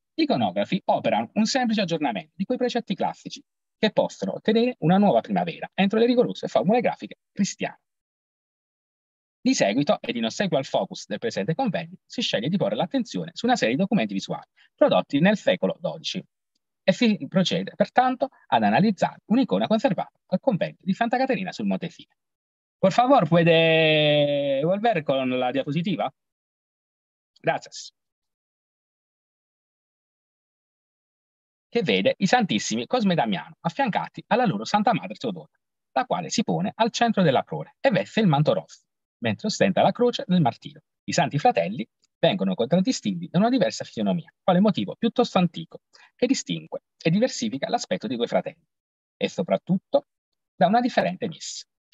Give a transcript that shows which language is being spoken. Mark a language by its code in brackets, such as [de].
[it] Gli iconografi operano un semplice aggiornamento di quei precetti classici che possono ottenere una nuova primavera entro le rigorose formule grafiche cristiane. Di seguito, ed in ossequio al focus del presente convegno, si sceglie di porre l'attenzione su una serie di documenti visuali prodotti nel secolo XII e si procede pertanto ad analizzare un'icona conservata al convento di Santa Caterina sul Monte Fine. [es] Por favor, puede volver con la diapositiva? Gracias. [it] Che vede i santissimi Cosme e Damiano affiancati alla loro Santa Madre Teodora, la quale si pone al centro della prole e veste il manto rosso, mentre ostenta la croce del martiro. I santi fratelli vengono contraddistinti da una diversa fisionomia, quale motivo piuttosto antico, che distingue e diversifica l'aspetto di quei fratelli, e soprattutto da una differente missa.